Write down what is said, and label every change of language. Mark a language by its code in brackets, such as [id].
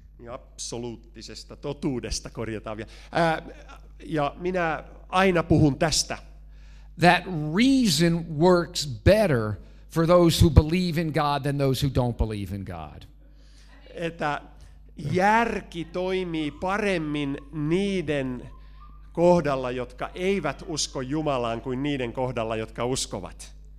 [fi] Absoluuttisesta totuudesta korjataan vielä. Ja minä aina puhun tästä. [en] That reason works better for those who believe in God than those who don't believe in God. [fi] Että järki toimii paremmin niiden kohdalla, jotka eivät usko Jumalaan, kuin niiden kohdalla, jotka uskovat.